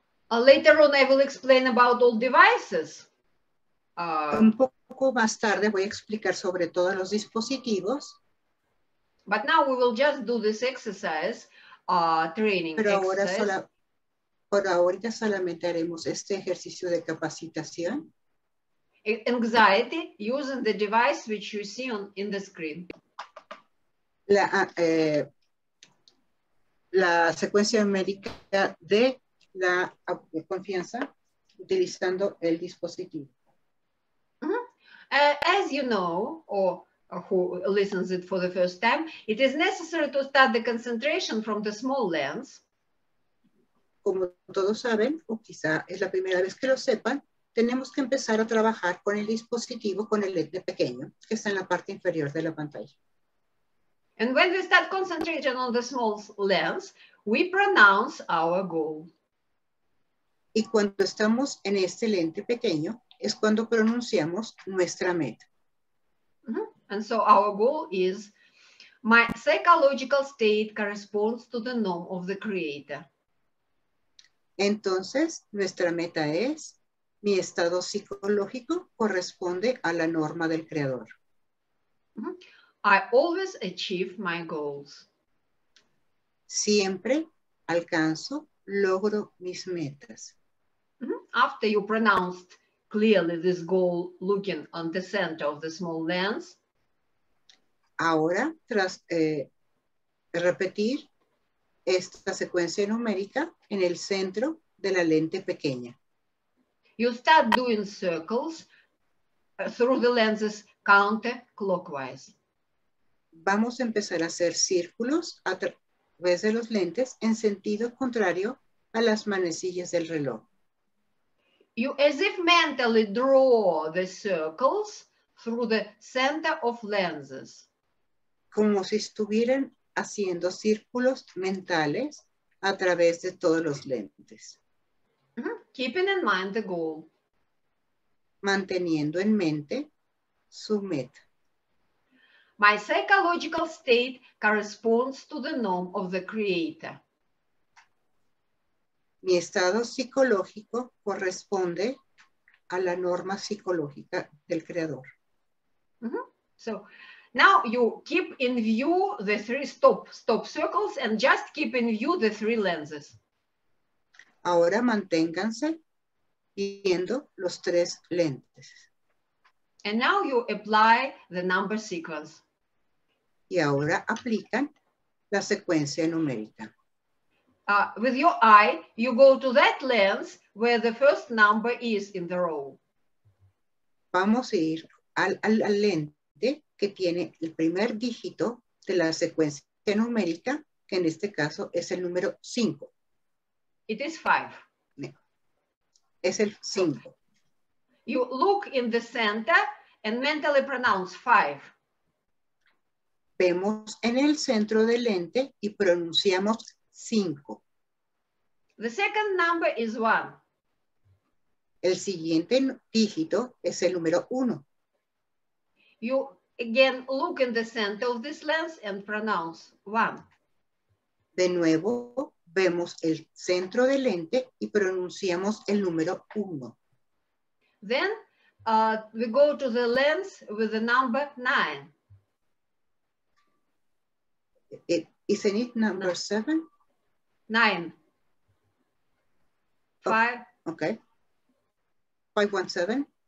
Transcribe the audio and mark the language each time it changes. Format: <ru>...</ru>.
<en>Later on, I will explain about all devices.</en> <es>Un poco más tarde voy a explicar sobre todos los dispositivos.</es> <en>But now we will just do this exercise, training</en> <es>Pero ahora exercise. Por ahorita solamente haremos este ejercicio de capacitación.</es> <en>Anxiety using the device which you see on in the screen.</en> <es>La secuencia numérica de la confianza utilizando el dispositivo.</es> <en>As you know, or who listens it for the first time, it is necessary to start the concentration from the small lens.</en> <es>Como todos saben, o quizá es la primera vez que lo sepan, tenemos que empezar a trabajar con el dispositivo, con el lente pequeño, que está en la parte inferior de la pantalla.</es> <en>And when we start concentrating on the small lens, we pronounce our goal.</en> <es>Y cuando estamos en este lente pequeño, es cuando pronunciamos nuestra meta.</es> <en>And so our goal is, my psychological state corresponds to the norm of the creator.</en> <es>Entonces, nuestra meta es, mi estado psicológico corresponde a la norma del creador.</es> <en>I always achieve my goals.</en> <es>Siempre alcanzo, logro mis metas.</es> <en>After you pronounced clearly this goal looking on the center of the small lens.</en> <es>Ahora, tras repetir esta secuencia numérica en el centro de la lente pequeña.</es> <en>You start doing circles through the lenses counterclockwise.</en> <es>Vamos a empezar a hacer círculos a través de los lentes en sentido contrario a las manecillas del reloj.</es> <en>You as if mentally draw the circles through the center of lenses.</en> <es>Como si estuvieran haciendo círculos mentales a través de todos los lentes.</es> <en>Keeping in mind the goal.</en> <es>Manteniendo en mente su meta.</es> <en>My psychological state corresponds to the norm of the creator.</en> <es>Mi estado psicológico corresponde a la norma psicológica del creador.</es> <en>So, now you keep in view the three stop circles and just keep in view the three lenses.</en> <es>Ahora manténganse viendo los tres lentes.</es> <en>And now you apply the number sequence.</en> <es>Y ahora aplican la secuencia numérica.</es> <en>With your eye, you go to that lens where the first number is in the row.</en> <es>Vamos a ir al lente que tiene el primer dígito de la secuencia numérica, que en este caso es el número 5.</es> <en>It is 5.</en> <es>Es el 5.</es> <en>You look in the center and mentally pronounce 5.</en> <es>Vemos en el centro del lente y pronunciamos 5.</es> <en>The second number is 1.</en> <es>El siguiente dígito es el número 1.</es> <en>You again look in the center of this lens and pronounce 1.</en> <es>De nuevo vemos el centro del lente y pronunciamos el número 1.</es> <en>Then we go to the lens with the number 9. Isn't it number 7? 9. 5. Oh, okay. 517.</en>